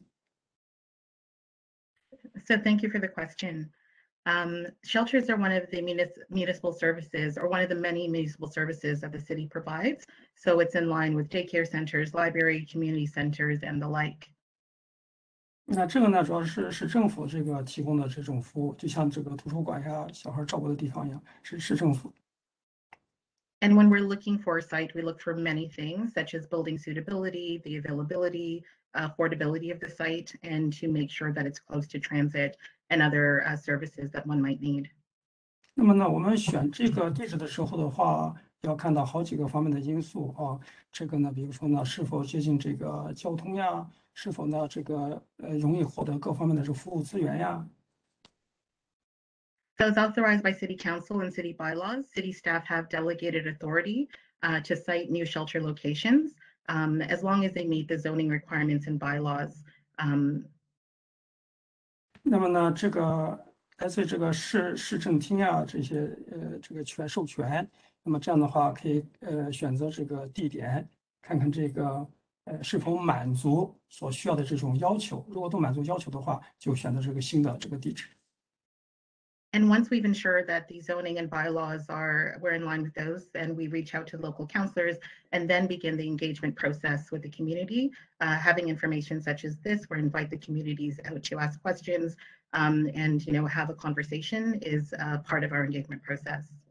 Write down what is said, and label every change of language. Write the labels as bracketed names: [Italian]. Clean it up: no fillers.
[Chinese] 那么这个社区呢，是一个安静的社区啊，有很多这个小孩子，还有一个这个小学。那么的话，谁做出了这个决定？哎，让这个避难所建在附近。So [English] thank you for the question. Shelters are one of the municipal services, or one of the many municipal services that the city provides. So it's in line with daycare centers, library, community centers, and the like. [Chinese] 那这个呢，主要是政府这个提供的这种服务，就像这个图书馆呀、小孩照顾的地方一样，是政府。And [English] when we're looking for a site, we look for many things, such as building suitability, the availability, affordability of the site, and to make sure that it's close to transit and other services that one might need. [Chinese] 那么呢，我们选这个地址的时候的话，要看到好几个方面的因素啊。这个呢，比如说呢，是否接近这个交通呀？是否呢？这个容易获得各方面的这服务资源呀？So [English] it's authorized by city council and city bylaws. City staff have delegated authority to site new shelter locations. as long as they meet the zoning requirements and bylaws. [Chinese] 那么呢，这个干脆这个市政厅啊，这些这个权授权，那么这样的话，可以选择这个地点，看看这个是否满足所需要的这种要求。如果都满足要求的话，就选择这个新的这个地址。 [English] And once we've ensured that the zoning and bylaws are we're in line with those, and we reach out to local counselors and then begin the engagement process with the community, having information such as this, where invite the communities out to ask questions and you know have a conversation is part of our engagement process.